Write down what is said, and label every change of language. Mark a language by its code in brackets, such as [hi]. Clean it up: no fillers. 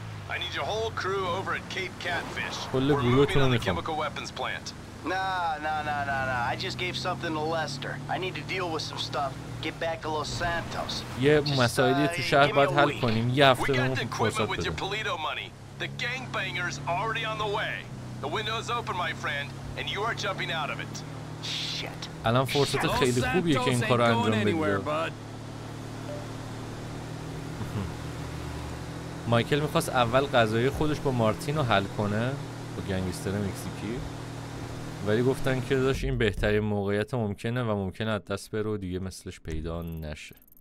[en] I need your whole crew over at Cape Catfish. [fa] کل گروه تون رو میخوام. [en] نه I just gave something to Lester. I need to deal with some stuff. Get back to Los Santos. [fa] یه مسائلی تو شهر باید حل کنیم. یه هفته بمون فرصت بدیم. [en] The gangbangers already on the way. The window's open, my friend, and you are jumping out of it. Shit. [fa] الان فرصت خیلی خوبیه که این کارو انجام بدیم. مایکل میخواست اول قضایای خودش با مارتین رو حل کنه با گنگستر مکزیکی. ولی گفتن که داشت این بهترین موقعیت ممکنه و ممکنه از دست بره و دیگه مثلش پیدا نشه.